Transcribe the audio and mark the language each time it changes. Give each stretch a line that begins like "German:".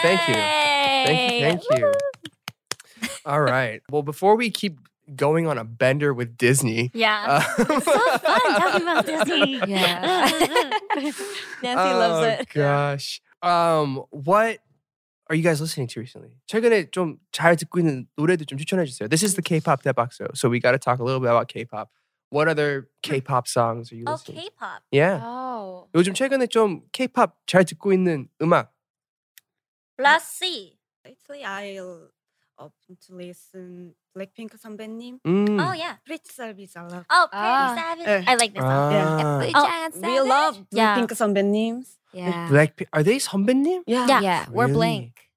English: Thank you. Thank you. All right. Well, before we keep going on a bender with Disney… Yeah. It's so fun talking about Disney. Yeah. Nancy oh, loves it. Oh, gosh. What… Are you guys listening to recently?
Korean: 최근에 좀 잘 듣고 있는 노래들 좀 추천해 주세요.
English: This is the K-pop 대박쇼. So we got to talk a little bit about K-pop. What other K-pop songs are you listening to? Oh, K-pop. Yeah. Oh.
Korean: 요즘 최근에 좀 K-pop 잘 듣고 있는 음악.
English: Let's see. Lately, I'll open to listen Blackpink 선배님. Oh, yeah. Pretty Savage, I love. Oh, Pretty Savage. I like this song. Yeah. We love Blackpink 선배님. Yeah. Blackpink. Are they 선배님? Yeah. Yeah. Really? We're Blink.